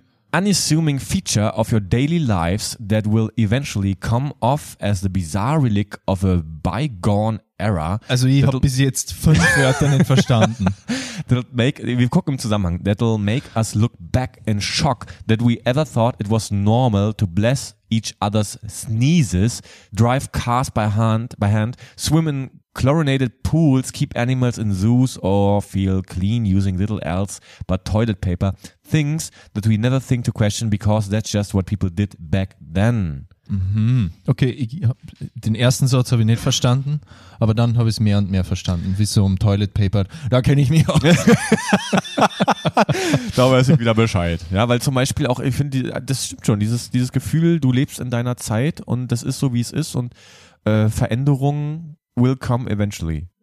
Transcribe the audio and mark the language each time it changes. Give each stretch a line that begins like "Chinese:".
English: Unassuming feature of your daily lives that will eventually come off as the bizarre relic of a bygone era.
German: Also ich habe bis jetzt 5 Wörter nicht verstanden. wir gucken im Zusammenhang.
English: That'll make us look back in shock that we ever thought it was normal to bless each other's sneezes, drive cars by hand, swim in chlorinated pools, keep animals in zoos, or feel clean using little else but toilet paper. Things that we never think to question because that's just what people did back then. Mhm.
German: Okay, den ersten Satz habe ich nicht verstanden, aber dann habe ich es mehr und mehr verstanden. Wie so um Toilet Paper, da kenne ich mich auch. Da weiß ich wieder Bescheid. Ja, weil zum Beispiel auch, ich finde, das stimmt schon, dieses Gefühl, du lebst in deiner Zeit und das ist so, wie es ist und Veränderungen
English: will come eventually.